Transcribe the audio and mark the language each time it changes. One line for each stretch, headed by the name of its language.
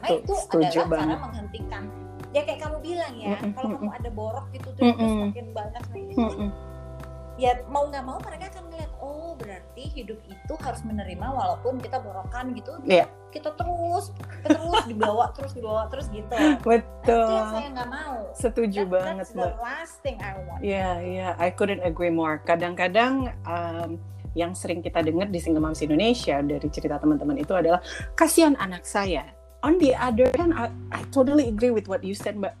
Indonesian: Itu adalah cara menghentikan. Ya kayak kamu bilang ya, kalau kamu ada borok gitu terus makin banyak ya mau nggak mau mereka akan melihat, oh berarti hidup itu harus menerima walaupun kita borokan gitu, kita terus dibawa terus gitu. Betul. Nah, itu yang saya nggak mau. Setuju
English: that,
Indonesian: banget.
English: That's the last thing I want. Yeah, I couldn't agree more.
Indonesian: Kadang-kadang yang sering kita dengar di Single Moms Indonesia dari cerita teman-teman itu adalah kasihan anak saya.
English: On the other hand, I totally agree with what you said, Mbak.